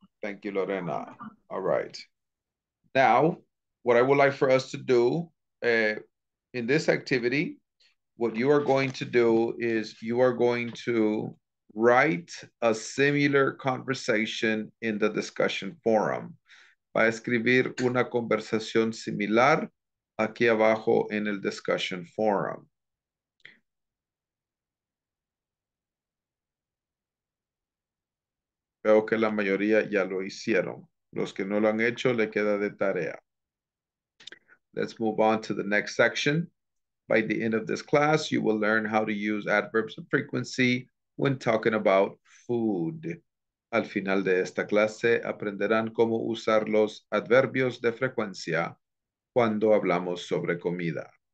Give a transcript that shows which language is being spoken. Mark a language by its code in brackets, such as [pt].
[en] Thank you, Lorena. All right. Now, what I would like for us to do in this activity, what you are going to do is you are going to write a similar conversation in the discussion forum. [es] Va a escribir una conversación similar aquí abajo en el discussion forum. Veo que la mayoría ya lo hicieron. Los que no lo han hecho, le queda de tarea. [en] Let's move on to the next section. By the end of this class, you will learn how to use adverbs of frequency when talking about food. [es] Al final de esta clase, aprenderán cómo usar los adverbios de frecuencia cuando hablamos sobre comida.